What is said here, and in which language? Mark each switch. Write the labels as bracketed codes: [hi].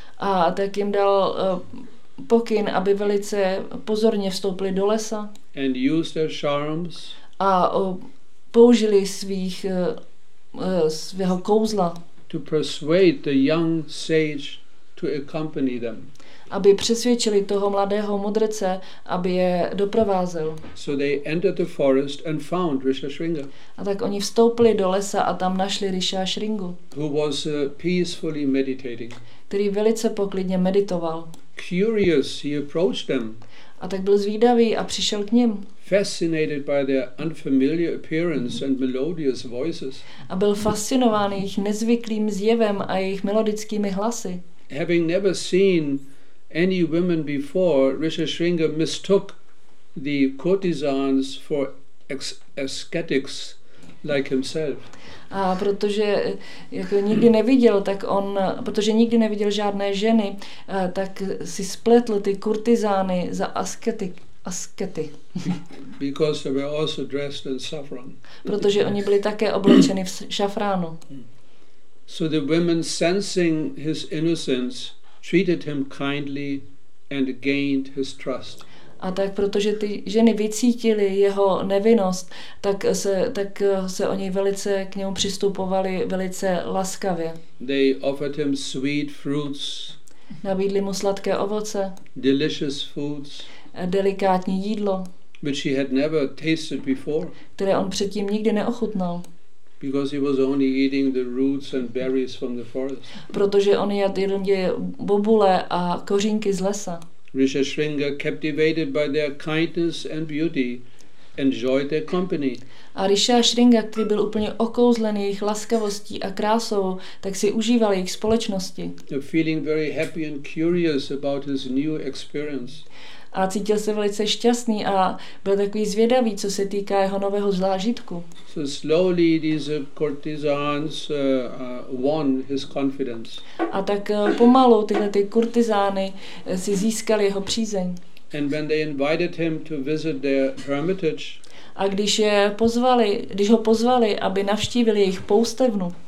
[cs] A tak jim dal pokyn, aby velice pozorně vstoupili do lesa. [en] And used their charms. [cs] A použili svého kouzla. [en] To persuade the young sage to accompany them. [cs] Aby přesvědčili toho mladého mudrce, aby je doprovázel. [en] So they entered the forest and found Rishashringa. [cs] A tak oni vstoupili do lesa a tam našli Rishashringu. [en] Who was peacefully meditating. [cs] Který velice poklidně meditoval. [en] Curious, he approached them. [cs] A tak byl zvídavý a přišel k nim. [en] Fascinated by their unfamiliar appearance and melodious voices. [cs] A byl fascinován jejich nezvyklým zjevem a jejich melodickými hlasy. [en] Having never seen any women before, Rishashringa mistook the courtesans for ascetics like himself. [cs] A protože jako nikdy neviděl, tak on, protože nikdy neviděl žádné ženy, tak si spletl ty kurtizány za askety. askety. [en] Because they were also dressed in saffron. [cs] Protože oni byli také oblečeni v šafránu. [en] So the women, sensing his innocence, treated him kindly and gained his trust. [cs] A tak protože ty ženy vycítily jeho nevinnost, tak se oni velice k němu přistupovali velice laskavě. [en] They offered him sweet fruits. [cs] Nabídli mu sladké ovoce. [en] Delicious foods. [cs] Delikátní jídlo. [en] Which he had never tasted before. [cs] Které on předtím nikdy neochutnal. [en] Because he was only eating the roots and berries from the forest. [cs] Protože on jedl jen bobule a kořínky z lesa. [en] Rishi Sringa, captivated by their kindness and beauty, enjoyed their company. [cs] A Rishi Sringa, který byl úplně okouzlený jejich laskavostí a krásou, tak si užíval jejich společnosti. [en] Feeling very happy and curious about his new experience. [cs] A cítil se velice šťastný a byl takový zvědavý, co se týká jeho nového zážitku. [en] So slowly these courtesans won his confidence. [cs] A tak pomalu tyhle ty kurtizány si získali jeho přízeň. [en] And when they invited him to visit their hermitage. [cs] A když ho pozvali, aby navštívili jejich poustevnu.